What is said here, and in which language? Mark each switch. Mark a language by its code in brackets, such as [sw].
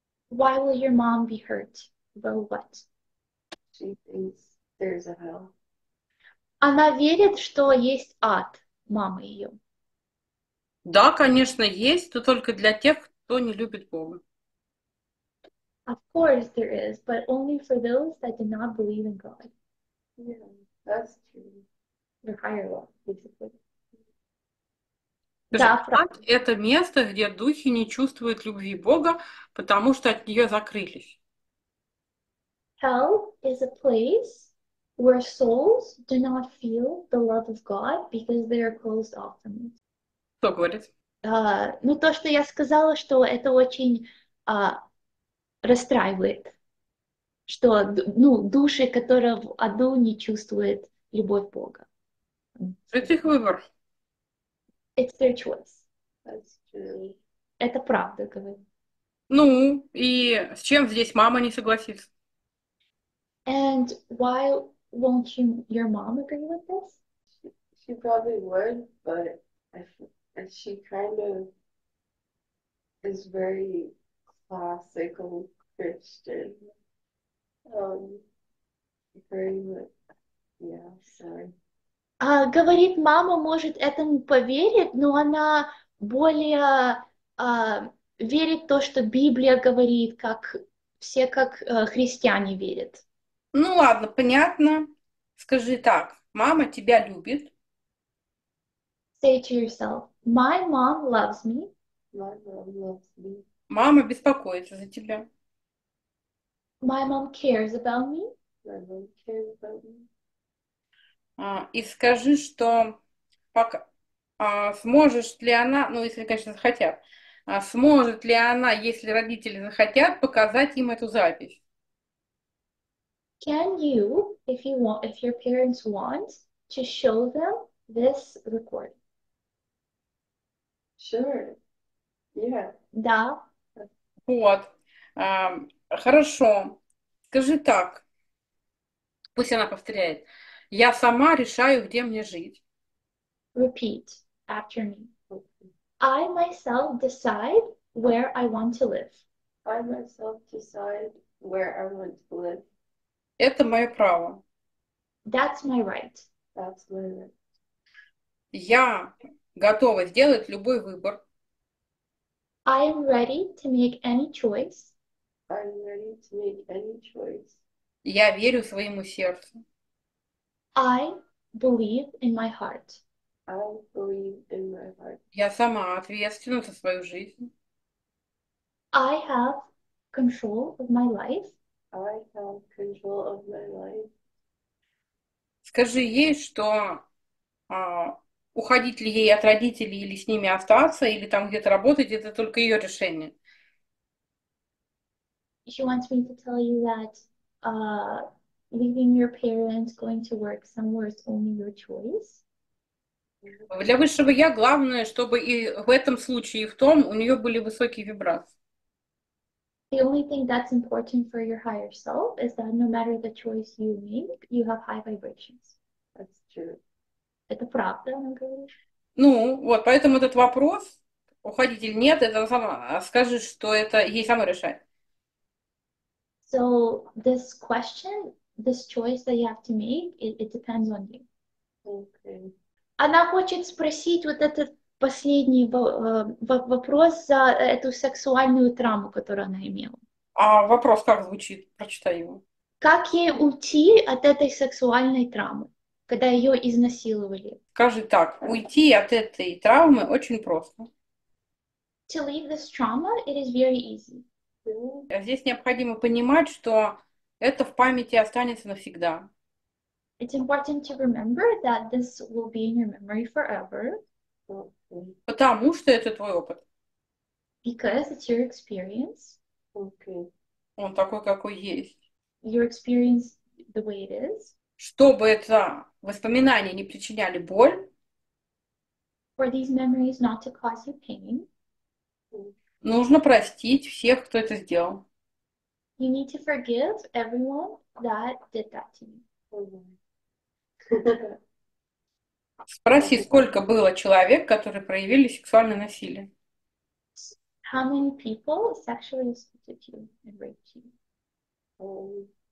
[en] Why will your mom be hurt? About what? She thinks there's a hell. [ru] Она верит, что есть ад, мама ее. Да, конечно, есть, но только для тех, кто не любит Бога. [en] Of course there is, but only for those that do not believe in God. Yeah, that's true. Your higher law, basically. [ru] Да, правда. Это место, где духи не чувствуют любви Бога, потому что от нее закрылись. [en] Hell is a place where souls do not feel the love of God because they are closed off from it. [ru] Что говорит? Ну, то, что я сказала, что это очень расстраивает, что ну, души, которая в аду, не чувствует любовь Бога. Это их выбор. [en] It's their choice. [ru] Это правда, говорю. Ну, и с чем здесь мама не согласится? [en] And why won't you, your mom agree with this? She probably would, but she kind of is very classical Christian. Very much, yeah, sorry. [ru] Говорит, мама может этому поверить, но она более верит в то, что Библия говорит, как все, как христиане верят. Ну ладно, понятно. Скажи так, мама тебя любит. [en] Say to yourself, my mom loves me. My mom loves me. [ru] Мама беспокоится за тебя. [en] My mom cares about me. My mom cares about me. [ru] И скажи, что пока, сможет ли она, ну если, конечно, захотят, сможет ли она, если родители захотят, показать им эту запись? [en] Can you, if you want, if your parents want, to show them this recording? Sure. Yeah. [ru] Да. Вот. Хорошо. Скажи так. Пусть она повторяет. Я сама решаю, где мне жить. [en] Repeat after me. I myself decide where I want to live. I myself decide where I want to live. [ru] Это мое право. [en] That's my right. That's my right. [ru] Я готова сделать любой выбор. [en] I'm ready to make any choice. I'm ready to make any choice. [ru] Я верю своему сердцу. [en] I believe in my heart. I believe in my heart. [ru] Я сама ответственна за свою жизнь. [en] I have control of my life. I have control of my life. [ru] Скажи ей, что уходить ли ей от родителей или с ними остаться, или там где-то работать, это только ее решение. [en] She wants me to tell you that leaving your parents, going to work somewhere is only your choice. [ru] Для высшего я главное, чтобы и в этом случае, и в том, у нее были высокие вибрации. [en] The only thing that's important for your higher self is that no matter the choice you make, you have high vibrations. That's true. [ru] Это правда, она говорит. Ну, вот, поэтому этот вопрос, уходить или нет, это сама скажет, что это ей сама решает. [en] So, this question, this choice that you have to make, it depends on you. Okay. [ru] Она хочет спросить вот этот последний вопрос за эту сексуальную травму, которую она имела. А вопрос как звучит? Прочитай его. Как ей уйти от этой сексуальной травмы, когда ее изнасиловали? Скажи так, уйти от этой травмы очень просто. [en] To leave this trauma, it is very easy. [ru] Здесь необходимо понимать, что это в памяти останется навсегда. [en] It's important to remember that this will be in your memory forever. [ru] Потому что это твой опыт. [en] Because it's your experience. Okay. [ru] Он такой, какой есть. [en] Your experience the way it is. [ru] Чтобы это воспоминания не причиняли боль. [en] For these memories not to cause you pain. [ru] Нужно простить всех, кто это сделал. [en] You need to forgive everyone that did that to you. [ru] Спроси, сколько было человек, которые проявили сексуальное насилие. [en] How many people sexually assaulted you and raped you?